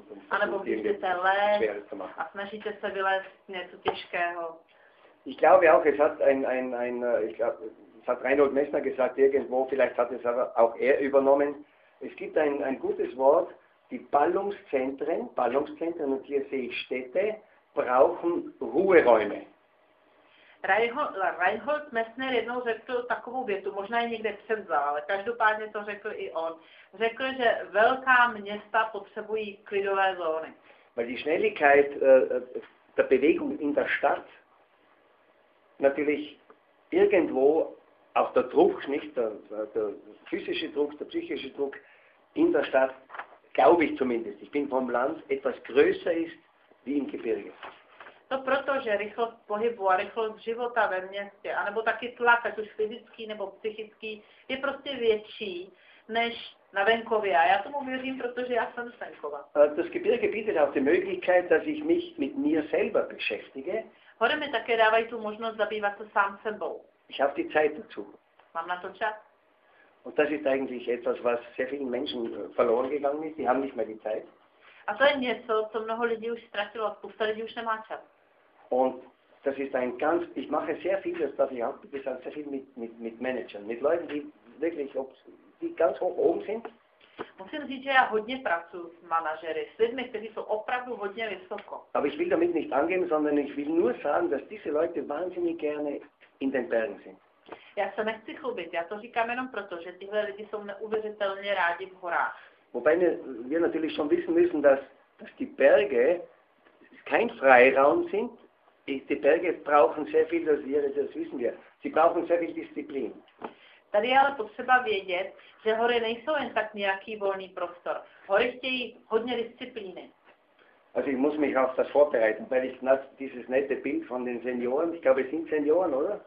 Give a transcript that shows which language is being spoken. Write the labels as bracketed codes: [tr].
[cs] A nebo když jdete lézt a snažíte se vylézt něco těžkého. [de] Ich glaube auch, es hat ich glaube, es hat Reinhold Messner gesagt, irgendwo, vielleicht hat es aber auch er übernommen. Es gibt ein gutes Wort, die Ballungszentren, und hier sehe ich Städte, brauchen Ruheräume. [cs] Reinhold Messner jednou řekl takovou větu, možná ji někde převzal, ale každopádně to řekl i on. Řekl, že velká města potřebují klidové zóny. [de] Weil die Schnelligkeit der Bewegung in der Stadt natürlich irgendwo auch der Druck, nicht der physische Druck, der psychische Druck in der Stadt, glaube ich zumindest, ich bin vom Land, etwas größer ist wie im Gebirge. [cs] To proto, že rychlost pohybu a rychlost života ve městě, anebo taky tlak, ať už fyzický nebo psychický, je prostě větší než na venkově. A já tomu věřím, protože já jsem z venkova. [de] Das Gebirge bietet auch die Möglichkeit, dass ich mich mit mir selber beschäftige. [cs] Hore mi také dávají tu možnost zabývat se sám sebou. [de] Ich habe die Zeit dazu. [cs] Mám na to čas. [de] Und das ist eigentlich etwas, was sehr vielen Menschen verloren gegangen ist. Die haben nicht mehr die Zeit. [cs] A to je něco, co mnoho lidí už ztratilo. Spousta lidí už nemá čas. [de] Und das ist ein ganz, ich mache sehr viel, das darf ich auch gesagt, sehr viel mit Managern, mit Leuten, die wirklich, die ganz hoch oben sind. [cs] Musím říct, že já hodně pracuji s manažery, s lidmi, kteří jsou opravdu hodně vysoko. [de] Aber ich will damit nicht angeben, sondern ich will nur sagen, dass diese Leute wahnsinnig gerne in den Bergen sind. [cs] Já se nechci chlubit, já to říkám jenom proto, že tyhle lidi jsou neuvěřitelně rádi v horách. [de] Wobei wir natürlich schon wissen müssen, dass die Berge kein Freiraum sind. Die Berge brauchen sehr viel, das wissen wir. Sie brauchen sehr viel Disziplin. [cs] Tady je ale potřeba vědět, že hory nejsou jen tak nějaký volný prostor. Hory chtějí hodně disciplíny. [de] Also ich muss mich auf das vorbereiten, weil ich dieses nette Bild von den Senioren, ich glaube, es sind Senioren, oder?